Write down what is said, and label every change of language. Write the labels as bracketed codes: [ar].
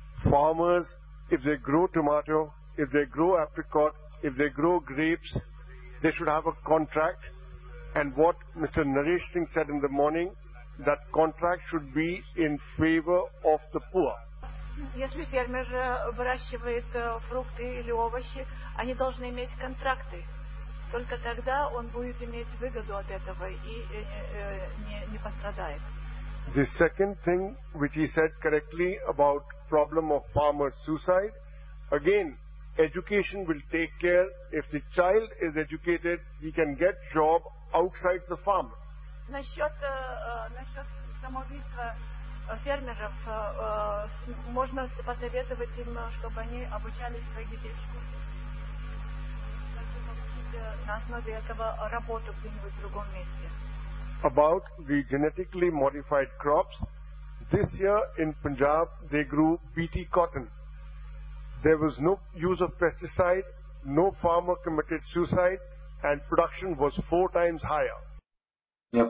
[en] Farmers, if they grow tomato, if they grow apricot, if they grow grapes, they should have a contract. And what Mr. Naresh Singh said in the morning, that contract should be in favor of the poor. [ru] Если фермер выращивает фрукты или овощи, они должны иметь контракты. Только тогда он будет иметь выгоду от этого и не пострадает. [en] The second thing which he said correctly about problem of farmer suicide, again, education will take care. If the child is educated, he can get job outside the farm. [ru] Насчет самоубийства фермеров, можно посоветовать им, чтобы они обучали своих детей в школе. На основе этого работу где-нибудь в другом месте. [en] About the genetically modified crops. This year in Punjab, they grew BT cotton. There was no use of pesticide, no farmer committed suicide, and production was four times higher.